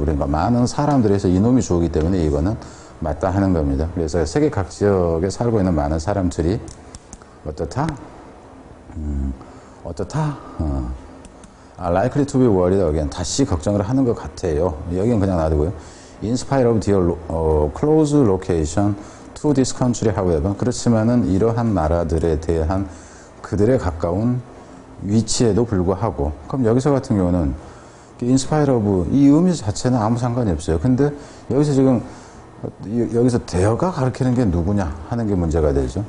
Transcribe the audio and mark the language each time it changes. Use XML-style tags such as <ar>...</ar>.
<ko>그러니까 많은 사람들이 해서 이놈이 주어기 때문에 이거는 맞다 하는 겁니다. 그래서 세계 각 지역에 살고 있는 많은 사람들이 어떻다? 어떻다?</ko> <en>Likely to be worried again.</en> <ko>다시 걱정을 하는 것 같아요. 여긴 그냥 놔두고요.</ko> <en>In spite of their close location to this country, however.</en> <ko>그렇지만은 이러한 나라들에 대한 그들의 가까운 위치에도 불구하고. 그럼 여기서 같은 경우는 In spite of, 이 의미 자체는 아무 상관이 없어요. 근데 여기서 지금, 여기서 대어가 가르치는 게 누구냐 하는 게 문제가 되죠.</ko>